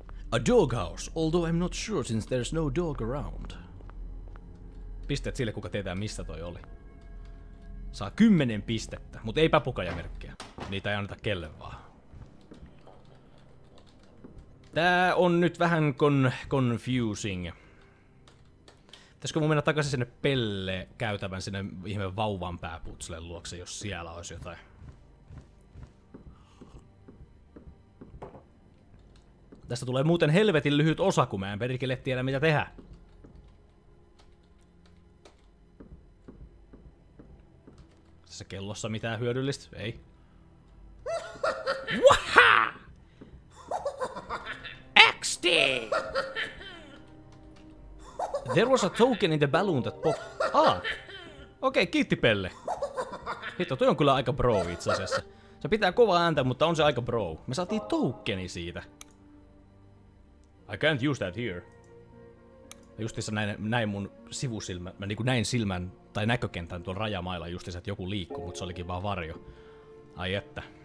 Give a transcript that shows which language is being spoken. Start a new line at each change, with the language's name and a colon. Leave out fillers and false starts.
English: A doghouse, although I'm not sure since there's no dog around.
Finnish: Pisteet sille, kuka tietää mistä toi oli. Saa 10 pistettä, mut ei papukajamerkkiä. Niitä ei anneta kelle vaan. Tää on nyt vähän confusing. Pitäisikö mun mennä takaisin sinne pelle käytävän sinne ihme vauvan pääputselen luokse, jos siellä olisi jotain? Tästä tulee muuten helvetin lyhyt osa, kun mä en perkele tiedä mitä tehdä. kellossa mitään hyödyllistä? Ei. Waha! XD!
English: There was a token in the balloon that popped.
Finnish: Ah! Okei, okay, kiitti Pelle. Hitto, toi on kyllä aika bro itseasiassa. Se pitää kovaa ääntä, mutta on se aika bro. Me saatiin tokeni siitä.
English: I can't use that here.
Finnish: Mä justiinsa näin mun sivusilmä, mä niinku näin silmän tai näkökentän tuon rajamailla justiinsa, että joku liikkuu, mutta se olikin vaan varjo. Ai että.